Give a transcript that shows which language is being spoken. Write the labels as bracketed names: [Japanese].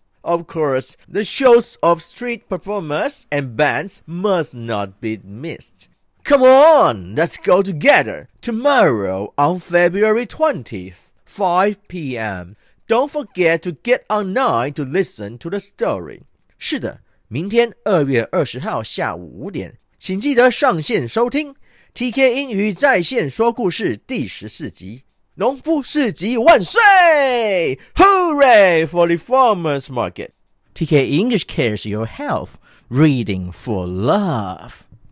[English] Of course, the shows of street performers and bands must not be missed. Come on, let's go together tomorrow on February 20th, 5 p.m. Don't forget to get online to listen to the story. [Chinese] 是的，明天2月20号下午5点，请记得上线收听 TK 英语在线说故事第14集。农夫市集万岁 [English] ！Hooray for the farmers market! TK English cares your health. Reading for love.